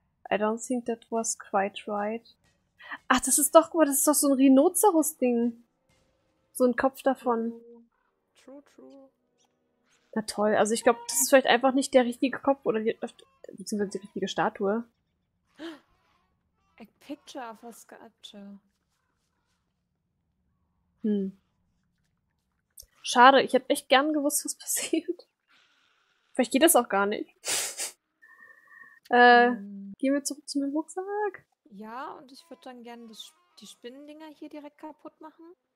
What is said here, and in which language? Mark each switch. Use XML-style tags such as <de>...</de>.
<en>I don't think that was quite right.</en> <de>Ach, das ist doch, guck mal, das ist doch so ein Rhinoceros-Ding. So ein Kopf davon.</de> <en>True, true.</en> <de>Na toll, also ich glaube, das ist vielleicht einfach nicht der richtige Kopf oder beziehungsweise die richtige Statue.</de> <en>A picture of a sculpture.</en> <de>Schade, ich hätte echt gern gewusst, was passiert. Vielleicht geht das auch gar nicht. Gehen wir zurück zu meinem Rucksack. Ja, und ich würde dann gern die Spinnendinger hier direkt kaputt machen.</de>